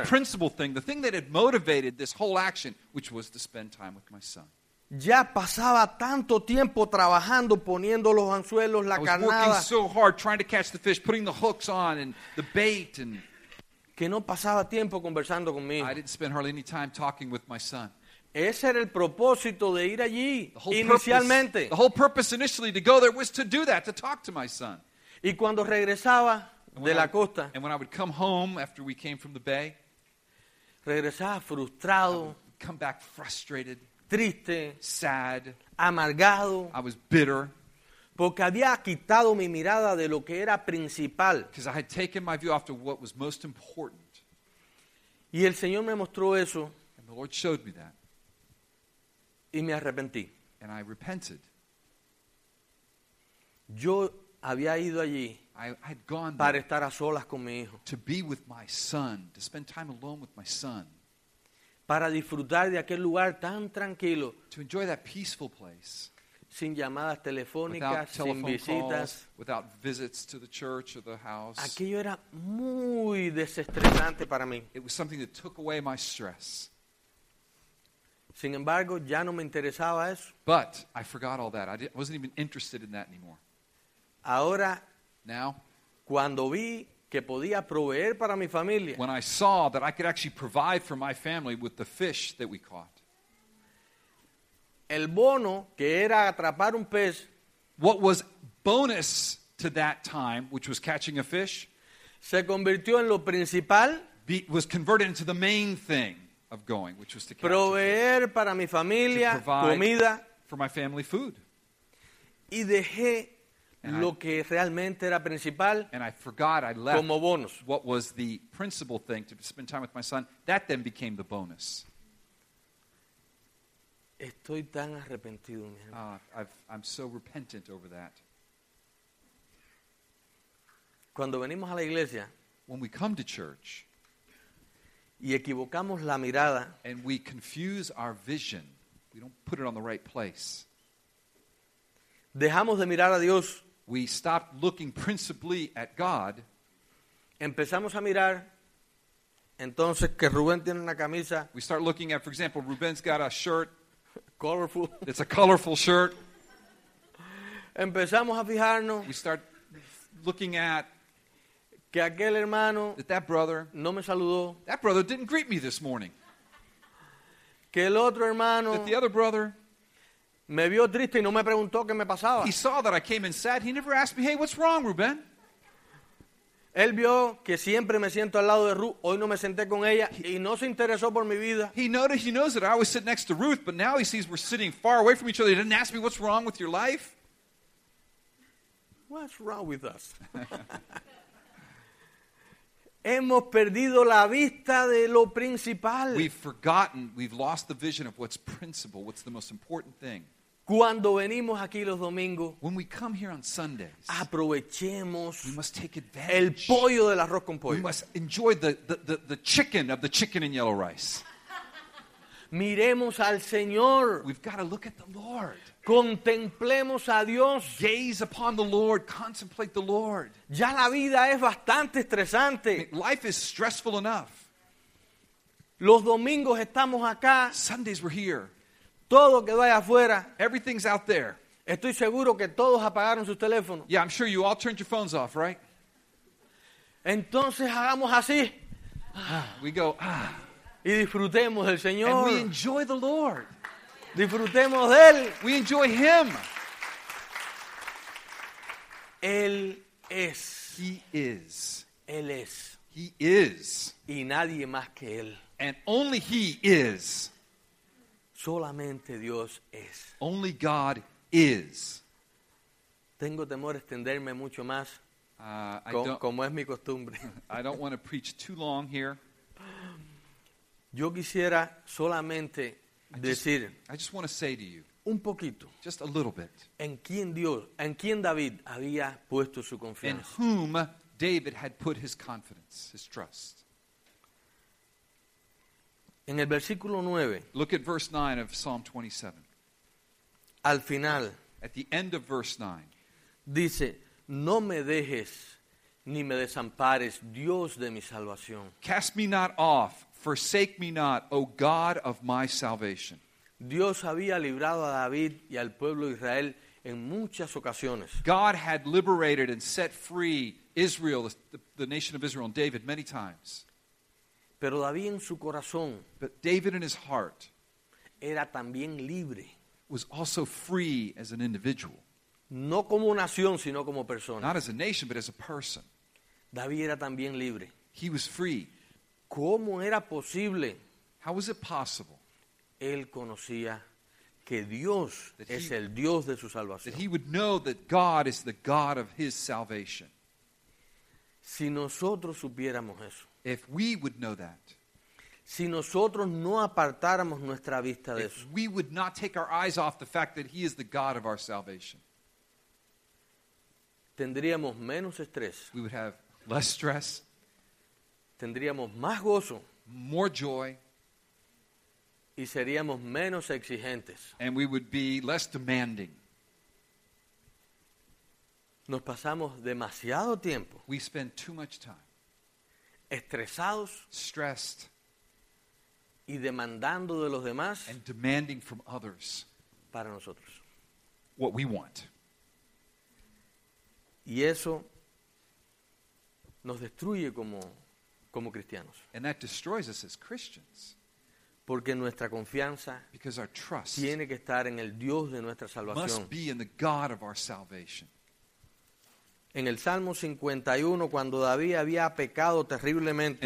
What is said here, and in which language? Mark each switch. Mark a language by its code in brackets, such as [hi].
[en] Of the principal thing, the thing that had motivated this whole action, which was to spend time with my son. [es] Ya pasaba tanto tiempo trabajando, poniendo los anzuelos, la carnada. [en] I was working so hard trying to catch the fish, putting the hooks on and the bait. And [es] que no pasaba tiempo conversando con mi hijo. [en] I didn't spend hardly any time talking with my son. [es] Ese era el propósito de ir allí inicialmente. [en] The whole purpose initially to go there was to do that, to talk to my son. [es] Y cuando regresaba de la costa, [en] and when I would come home after we came from the bay, [es] regresaba frustrado, [en] come back frustrated, [es] triste, [en] sad, [es] amargado. [en] I was bitter. [es] Porque había quitado mi mirada de lo que era principal. [en] Because I had taken my view off to what was most important. [es] Y el Señor me mostró eso. [en] the Lord showed me that. [es] Y me arrepentí. [en] And I repented. [es] Yo había ido allí [en] I had gone there [es] para estar a solas con mi hijo. [en] To be with my son, to spend time alone with my son. [es] Para disfrutar de aquel lugar tan tranquilo. [en] To enjoy that peaceful place. [es] Sin llamadas telefónicas, [en] without telephone [es] sin visitas. [en] Calls, without visits to the church or the house. [es] Aquello era muy desestresante para mí. [en] It was something that took away my stress. [es] Sin embargo, ya no me interesaba eso. [en] But I forgot all that. I wasn't even interested in that anymore. [es] Ahora, [en] now, [es] cuando vi que podía proveer para mi familia, [en] when I saw that I could actually provide for my family with the fish that we caught, [es] el bono que era atrapar un pez, [en] what was bonus to that time, which was catching a fish, [es] se convirtió en lo principal, [en] was converted into the main thing of going, which was to catch [es] proveer [en] a fish, [es] para mi familia, [en] to provide [es] comida, [en] for my family food. [es] Y dejé lo que realmente era principal, [en] and I forgot, I left [es] como bonus. [en] What was the principal thing to spend time with my son. That then became the bonus. [es] Estoy tan arrepentido, mi hermano. [en] I'm so repentant over that. [es] Cuando venimos a la iglesia, [en] when we come to church, [es] y equivocamos la mirada, [en] and we confuse our vision, we don't put it on the right place, [es] dejamos de mirar a Dios. [en] We stop looking principally at God. [es] Empezamos a mirar. Entonces que Rubén tiene una camisa. [en] We start looking at, for example, Rubén's got a shirt. Colorful. It's a colorful shirt. [es] Empezamos a fijarnos. [en] We start looking at. [es] Que aquel hermano. [en] That brother. [es] No me saludó. [en] That brother didn't greet me this morning. [es] Que el otro hermano. [en] That the other brother. [es] Me vio triste y no me preguntó qué me pasaba. [en] He saw that I came in sad. He never asked me, hey, what's wrong, Ruben? [es] Él vio que siempre me siento al lado de Ruth. Hoy no me senté con ella y no se interesó por mi vida. [en] He noticed, he knows that I always sit next to Ruth, but now he sees we're sitting far away from each other. He didn't ask me, what's wrong with your life? What's wrong with us? [es] Hemos perdido la vista de lo principal. [en] We've forgotten, we've lost the vision of what's principal, what's the most important thing. [es] Cuando venimos aquí los domingos, [en] when we come here on Sundays, [es] aprovechemos, [en] we must take advantage, [es] el pollo del arroz con pollo. [en] We must enjoy the chicken of the chicken and yellow rice. [es] Miremos al Señor. [en] We've got to look at the Lord. [es] Contemplemos a Dios. [en] Gaze upon the Lord. Contemplate the Lord. [es] Ya la vida es bastante estresante. [en] Life is stressful enough. [es] Los domingos estamos acá. [en] Sundays we're here. [es] Todo quedó allá afuera. [en] Everything's out there. [es] Estoy seguro que todos apagaron sus teléfonos. [en] Yeah, I'm sure you all turned your phones off, right? [es] Entonces hagamos así. [en] We go, [es] Y disfrutemos del Señor. [en] And we enjoy the Lord. [es] Disfrutemos de él. [en] We enjoy him. [es] Él es. [en] He is. [es] Él es. [en] He is. [es] Y nadie más que él. [en] And only he is. [es] Solamente Dios es. [en] Only God is. [es] Tengo temor de extenderme mucho más. Como es mi costumbre. [en] I don't want to preach too long here. [es] Yo quisiera solamente decir, [en] I just want to say to you, [es] un poquito, [en] just a little bit, [es] en quién Dios, en quién David había puesto su confianza. [en] In whom David had put his confidence, his trust. [es] En el versículo 9. [en] Look at verse 9 of Psalm 27. [es] Al final. [en] At the end of verse 9. [es] Dice, no me dejes ni me desampares, Dios de mi salvación. [en] Cast me not off. Forsake me not, O God of my salvation. [es] Dios había librado a David y al pueblo de Israel en muchas ocasiones. [en] God had liberated and set free Israel, the nation of Israel, and David many times. [es] Pero David en su corazón, [en] but David in his heart, [es] era también libre. [en] Was also free as an individual. [es] No como nación, sino como persona. [en] Not as a nation, but as a person. [es] David era también libre. [en] He was free. [es] ¿Cómo era posible? [en] How was it possible? [es] Él conocía que Dios es el Dios de su salvación. [en] That he would know that God is the God of his salvation. [es] Si nosotros supiéramos eso. [en] If we would know that. [es] Si nosotros no apartáramos nuestra vista de eso. [en] We would not take our eyes off the fact that he is the God of our salvation. [es] Tendríamos menos estrés. [en] We would have less stress. [es] Tendríamos más gozo. [en] More joy. [es] Y seríamos menos exigentes. [en] And we would be less demanding. [es] Nos pasamos demasiado tiempo. [en] We spend too much time. [es] Estresados. [en] Stressed. [es] Y demandando de los demás. [en] And demanding from others. [es] Para nosotros. [en] What we want. [es] Y eso nos destruye como cristianos. [en] And that destroys us as Christians. [es] Porque nuestra confianza tiene que estar en el Dios de nuestra salvación. [en] Must be in the God of our salvation. [es] En el Salmo 51, cuando David había pecado terriblemente.